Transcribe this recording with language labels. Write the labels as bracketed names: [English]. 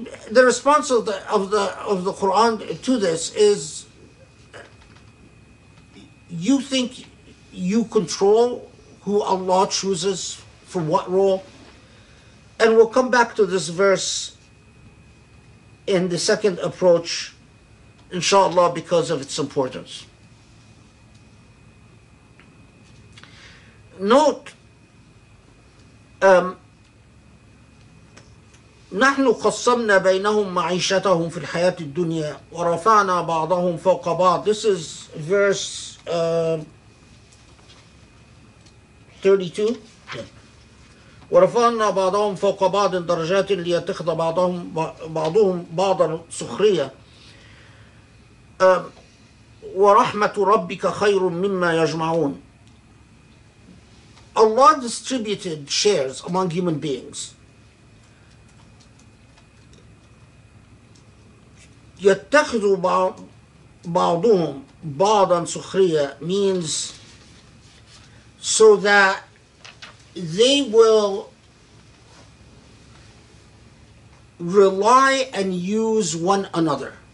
[English] The response of the Quran to this is, you think you control who Allah chooses for what role? And we'll come back to this verse in the second approach, inshallah, because of its importance. Note, [Arabic] نحن قسمنا بينهم معيشتهم في الحياة الدنيا ورفعنا بعضهم فوق بعض. [English] This is verse 32. [Arabic] ورفعنا بعضهم فوق بعض درجات ليتخذ بعضهم بعضهم بعضا سخرية ورحمة ربك خير مما يجمعون. [English] Allah distributed shares among human beings. [Arabic] يتخذ بعضهم بعضا سخرية [English] means so that they will rely and use one another.